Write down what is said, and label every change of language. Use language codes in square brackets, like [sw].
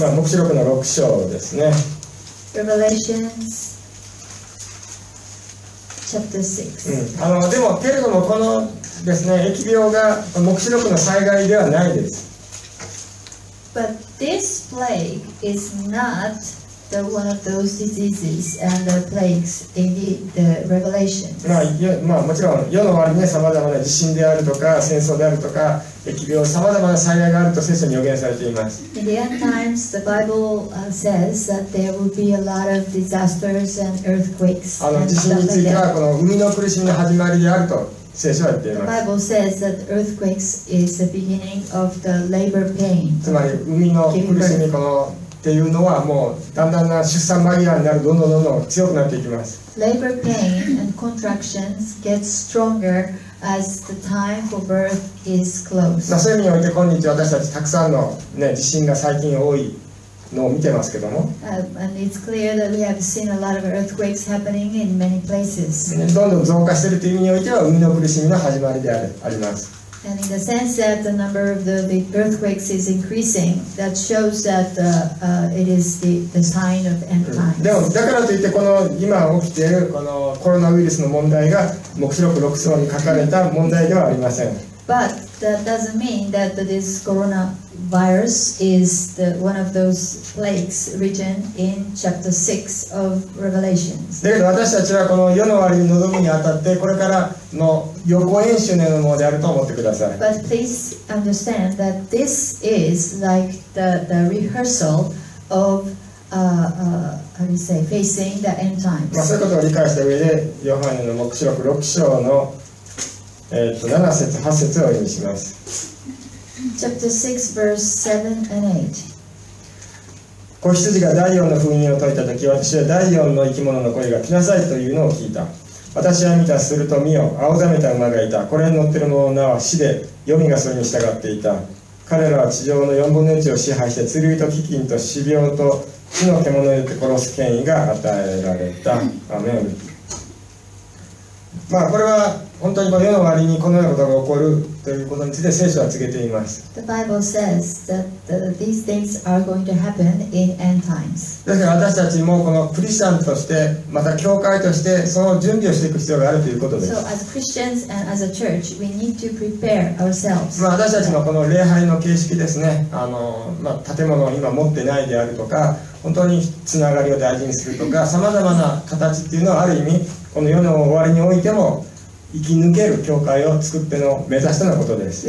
[ja] まあ黙示録の6章ですね。 [en] Revelations chapter 6、 [ja] でもけれどもこのですね、疫病が黙示録の災害ではないです。 [en] But this plague is not the one of those diseases and the plagues in the Revelation. [ja] まあもちろん世の周りね、さまざまな地震であるとか戦争であるとか疫病、さまざまな災害があると聖書に予言されています。 [en] In the end times, the Bible says that there will be a lot of disasters and earthquakes. [ja] 地震についてはこの海の苦しみの始まりであると。聖書は言っています。 [en] The Bible says that earthquakes is the beginning of the labor pain. [ja] つまり海の苦しみこのっていうのはもうだんだんな出産間際になる、どんどんどんどん強くなっていきます。 [en] Labor pain and contractions get stronger as the time for birth is close. [ja] そういう意味において今日私たちたくさんの、ね、地震が最近多いのを見てますけども、 [en] and it's clear that we have seen a lot of earthquakes happening in many places. [ja] どんどん増加しているという意味においては海の苦しみの始まりであります。 [en] And in the sense that the number of the earthquakes is increasing, that shows that it is the sign of end times. [ja] でもだからといってこの今起きているこのコロナウイルスの問題が黙示録6章に書かれた問題ではありません。 [en] But that doesn't mean that this corona virus is the one of those plagues written in chapter 6 of Revelation. [ja] だけど私たちはこの世の終わりに臨むにあたってこれからの予行演習のようなものであると思ってください。 [en] But please understand that this is like the rehearsal of how do you say, facing the end times. [ja] まあ、そういうことを理解した上でヨハネの黙示録6章の7節8節を読みします。 [en] Chapter 6, verse 7 and 8. [ja] 子羊が第四の封印を解いたとき、私は第四の生き物の声が来なさいというのを聞いた。私は見た、すると見よ、青ざめた馬がいた。これに乗っている者の名は死で、黄泉がそれに従っていた。彼らは地上の四分の一を支配して、剣と飢饉と死病と地の獣によって殺す権威が与えられた。アメン。まあ、これは本当にこの世の終わりにこのようなことが起こるということについて聖書は告げています。 [en] The Bible says that these things are going to happen in end times. [ja] だから私たちもこのクリスチャンとして、また教会としてその準備をしていく必要があるということです。 [en] So as Christians and as a church, we need to prepare ourselves. [ja] まあ、私たちのこの礼拝の形式ですね、まあ、建物を今持ってないであるとか、本当につながりを大事にするとか、さまざまな形っていうのはある意味この世の終わりにおいても生き抜ける教会を作っての目指したのことです。